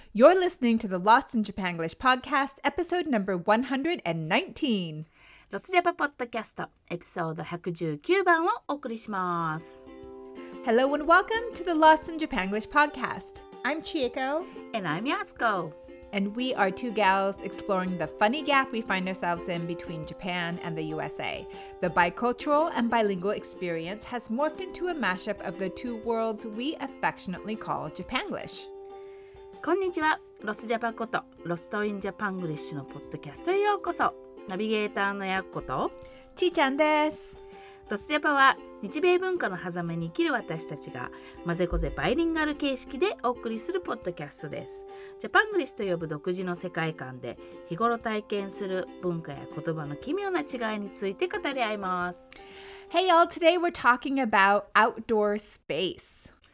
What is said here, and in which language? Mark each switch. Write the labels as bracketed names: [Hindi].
[English] You're listening to the Lost in Japanglish podcast, episode number 119. [Japanese] ロスジャパポッドキャスト、エピソード119番をお送りします。 [English] Hello and welcome to the Lost in Japanglish podcast. I'm Chieko. And I'm Yasuko. And we are two gals exploring the funny gap we find ourselves in between Japan and the USA. The bicultural and bilingual experience has morphed into a mashup of the two worlds we affectionately call Japanglish. [Japanese] こんにちは、ロスジャパこと、ロストインジャパングリッシュのポッドキャストへようこそ。ナビゲーターのやっこと、ちーちゃんです。ロスジャパは、日米文化の狭間に生きる私たちが、まぜこぜバイリンガル形式でお送りするポッドキャストです。ジャパングリッシュと呼ぶ独自の世界観で、日頃体験する文化や言葉の奇妙な違いについて語り合います。 [English] Hey y'all, today we're talking about outdoor space.